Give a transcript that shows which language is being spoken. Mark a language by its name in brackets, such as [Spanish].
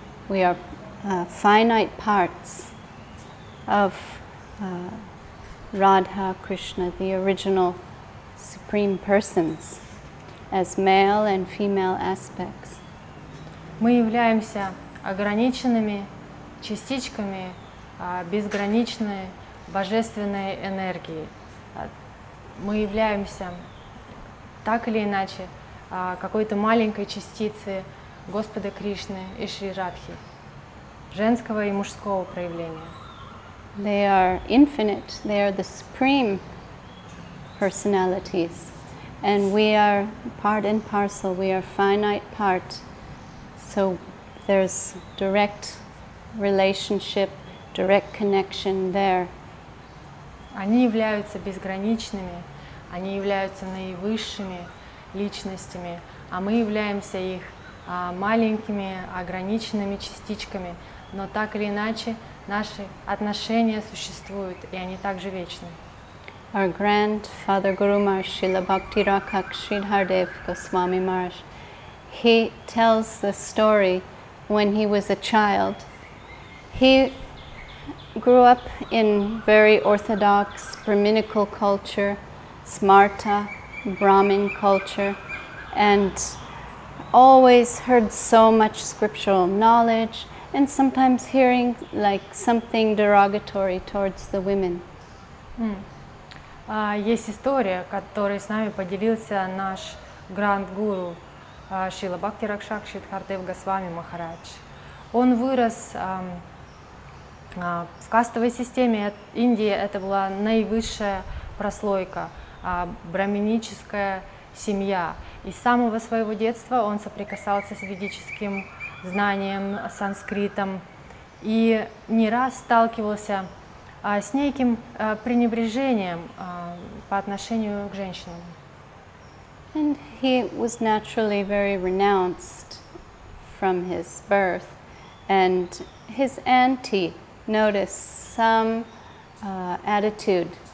[English] We are finite parts of Radha, Krishna, the original supreme persons, as male and female aspects. [Russian] Мы являемся ограниченными частичками безграничной божественной энергии. Мы являемся так или иначе какой-то маленькой частицы Господа Кришны и Шри Радхи, женского и мужского проявления. [English] They are infinite, they are the supreme personalities. And we are part and parcel, we are finite part. So there's direct relationship, direct connection there. [Russian] Они являются безграничными, они являются наивысшими личностями, а мы являемся их маленькими, ограниченными частичками. Но так или иначе, наши отношения существуют, и они также вечны. [English] Our grandfather Guru Maharaj Srila Bhakti Rakak Sridhardev Goswami Maharaj, he tells the story when he was a child. He grew up in very orthodox Brahminical culture, Smarta, Brahmin culture, and always heard so much scriptural knowledge, and sometimes hearing like something derogatory towards the women. [Russian] Есть история, которой с нами поделился наш гранд-гуру Шрила Бхакти Ракшак Шридхардев Госвами Махарадж. Он вырос в кастовой системе Индии, это была наивысшая прослойка, брахминическая семья. И с самого своего детства он соприкасался с ведическим знанием, санскритом, и не раз сталкивался с неким пренебрежением по отношению к женщинам. [English] And he was naturally very renounced from his birth, and his auntie noticed some attitude.